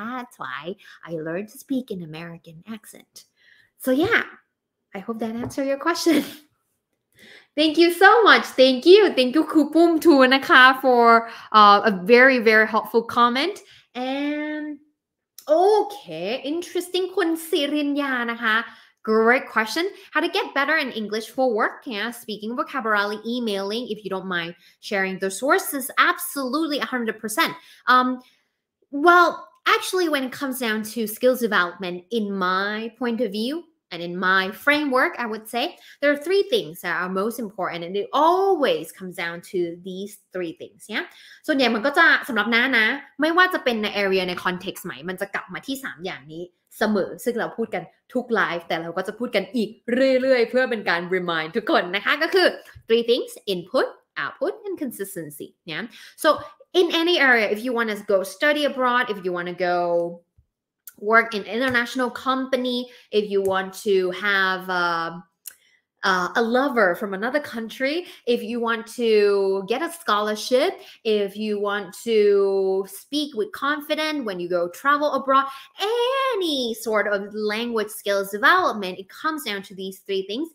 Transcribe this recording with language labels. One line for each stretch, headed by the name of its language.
English: That's why I learned to speak in American accent. So yeah, I hope that answered your question. Thank you so much. Thank you. Thank you, Kupum Tuanaka, for a very, very helpful comment. And okay, interesting. คุณสิรินยานะคะ Great question. How to get better in English for work? Yeah, speaking vocabulary, emailing, if you don't mind sharing the sources. Absolutely, 100%. Well, actually, when it comes down to skills development, in my point of view,And in my framework, I would say there are three things that are most important. And it always comes down to these three things. Yeah.
Thai: ส่วนใหญ่มันก็จะสำหรับน้านะไม่ว่าจะเป็นใน area ใน context ไหมมันจะกลับมาที่3อย่างนี้เสมอซึ่งเราพูดกันทุก live แต่เราก็จะพูดกันอีกเรื่อยๆเพื่อเป็นการ remind ทุกคนนะคะก็คือ
English: three things input, output, and consistency. Yeah. So in any area, if you want to go study abroad, if you want to go... work in international company, if you want to have a lover from another country, if you want to get a scholarship, if you want to speak with confidence when you go travel abroad, any sort of language skills development, it comes down to these three things.